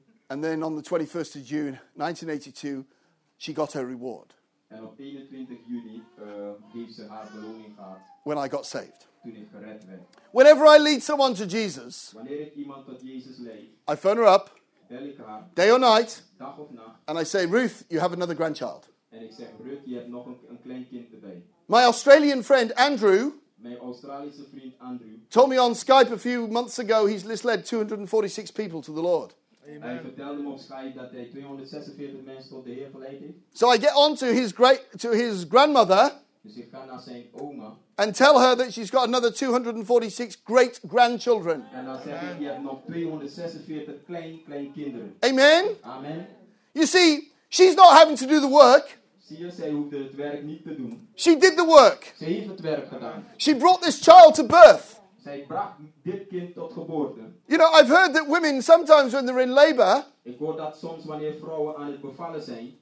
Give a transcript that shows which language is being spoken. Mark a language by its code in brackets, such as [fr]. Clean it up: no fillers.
[en] And then on the 21st of June, 1982, she got her reward. [nl] En op 21 juni heeft ze haar beloning gehad. [en] When I got saved. [nl] Toen ik gered werd. [en] Whenever I lead someone to Jesus. [nl] Wanneer ik iemand tot Jezus leid. [en] I phone her up. Day or night. [nl] Dag of nacht. [en] And I say, Ruth, you have another grandchild. [nl] En ik zeg, Ruth, je hebt nog een klein kind erbij. [en] My Australian friend Andrew. [nl] Mijn Australische vriend Andrew. [en] Told me on Skype a few months ago, he's led 246 people to the Lord. Amen. [nl] Hij vertelde me op Skype dat hij 246 mensen tot de Heer geleid heeft. [en] So I get on to his grandmother. [nl] Dus ik ga naar zijn oma. [en] And tell her that she's got another 246 great grandchildren. [nl] En dan zeg ik, je hebt nog 246 klein kinderen. Amen. Amen. [en] You see, she's not having to do the work. [nl] Zie je, zij hoefde het werk niet te doen. [en] She did the work. [nl] Ze heeft het werk gedaan. [en] She brought this child to birth. [nl] Zij bracht dit kind tot geboorte. [en] You know, I've heard that women sometimes when they're in labor. [nl] Ik hoor dat soms wanneer vrouwen aan het bevallen zijn.